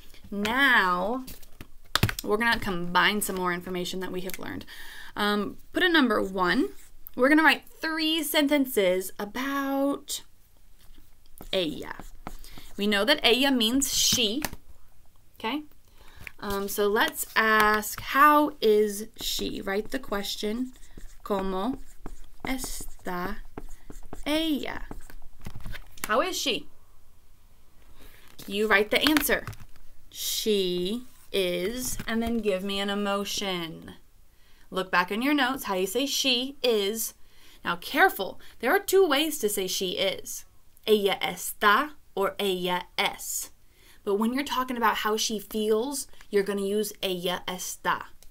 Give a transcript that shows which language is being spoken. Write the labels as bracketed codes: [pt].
[en] Now, we're gonna combine some more information that we have learned. Put a number one. We're gonna write three sentences about ella. We know that ella means she, okay? So let's ask, how is she? Write the question, [es] ¿cómo está ella? [en] How is she? You write the answer. She is, and then give me an emotion. Look back in your notes, how you say she is. Now careful, there are two ways to say she is. [es] Ella está [en] or [es] ella es. [en] But when you're talking about how she feels, you're going to use [es] ella está.